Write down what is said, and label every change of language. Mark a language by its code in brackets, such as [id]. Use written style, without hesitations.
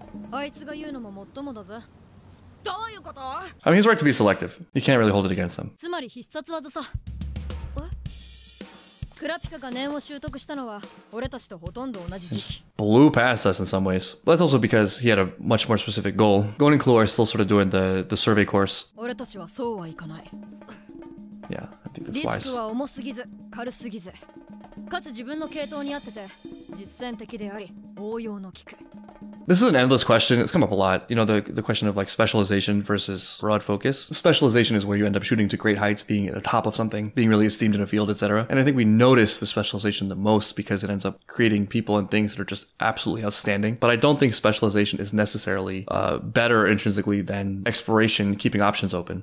[ja] あいつが言うのももっともだぜ。どういうこと？ [en] I mean, he's right to be selective. You can't really hold it against him. [ja] つまり必殺技さ。クラピカが念を習得したのは俺たちとほとんど同じ時期。 [en] Blew past us in some ways. But that's also because he had a much more specific goal. Gon and Clue are still sort of doing the survey course. [ja] 俺たちはそうはいかない。 [en] Yeah, I think that's wise. [ja] リスクは重すぎず、軽すぎず。かつ自分の系統に合ってて、実践的であり、応用の効く。 [en] This is an endless question. It's come up a lot. You know, the question of like specialization versus broad focus. Specialization is where you end up shooting to great heights, being at the top of something, being really esteemed in a field, etc. And I think we notice the specialization the most because it ends up creating people and things that are just absolutely outstanding. But I don't think specialization is necessarily better intrinsically than exploration, keeping options open.